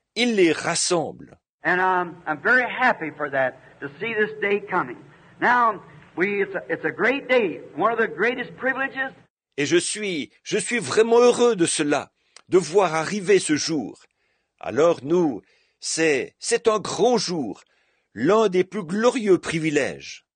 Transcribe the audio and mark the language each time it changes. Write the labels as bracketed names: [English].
[French] Il les rassemble. [English] And I'm very happy for that, to see this day coming. Now, it's a great day, one of the greatest privileges. [French] Et je suis vraiment heureux de cela, de voir arriver ce jour. Alors nous, c'est un grand jour, l'un des plus glorieux privilèges.